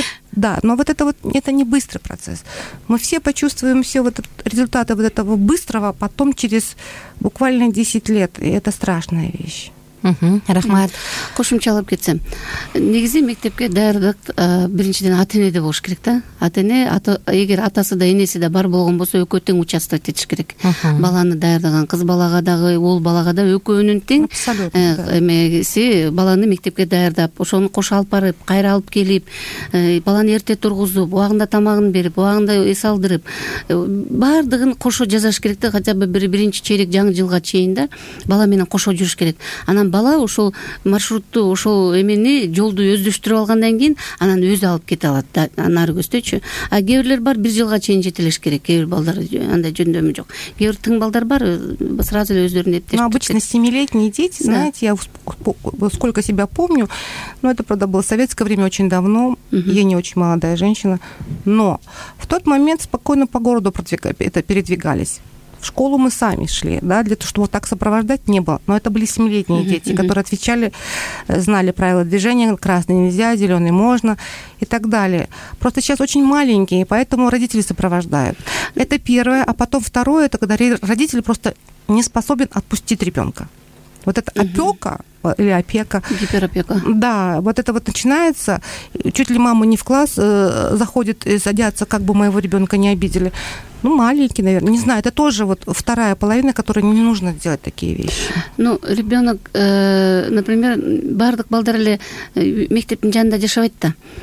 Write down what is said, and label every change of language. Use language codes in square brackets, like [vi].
[ru] Да, но вот это вот, это не быстрый процесс. Мы все почувствуем все вот результаты вот этого быстрого, потом через буквально 10 лет, и это страшная вещь. [ky] Рахмат. Кошумча алып кетсем. Негизи мектепке даярдык биринчиден ата-энеде болуш керек да. Ата-эне, эгер атасы да энеси да бар болгон болсо, экөө тең участвовать этиш керек. Баланы даярдаган кыз балага дагы, ул балага да экөөнүн тең. Эмеси баланы мектепке даярдап, ошону кошо алып барып, кайра алып келип, баланы эрте тургузуп, убагында тамагын берип, убагында эс алдырып, баардыгын кошо жазаш керек да, [ru] хотя бы [ky] биринчи черек жаңы жылга чейин да, бала менен кошо жүрүш керек. Анан бала ошол маршрутту, ошол эмени, жолду өздөштүрүп алгандан кийин анан өзү алып кете алат да, нары көздөчү. А кээ бирлер бар, бир жылга чейин жетелеш керек, кээ бир балдар андай жөндөмү жок. Кээ бир тың балдар бар, сразу эле өздөрүн эптештирет. [ru] Ну, обычно 7-летние дети, знаете, да. Я сколько себя помню, но это, правда, было советское время очень давно, я не очень молодая женщина, но в тот момент спокойно по городу передвигались. В школу мы сами шли, да, для того, чтобы вот так сопровождать, не было. Но это были 7-летние дети, которые отвечали, знали правила движения, красный нельзя, зеленый можно и так далее. Просто сейчас очень маленькие, поэтому родители сопровождают. Это первое, а потом второе, это когда родители просто не способен отпустить ребенка. Вот это опека или опека. Гиперопека. Да, вот это вот начинается. Чуть ли мама не в класс заходит и садятся, как бы моего ребенка не обидели. Ну, маленький, наверное. Не знаю, это тоже вот вторая половина, которой не нужно делать такие вещи. Ну, ребенок, например, [ky] бардык балдар эле мектептин жанында жашабайт-та.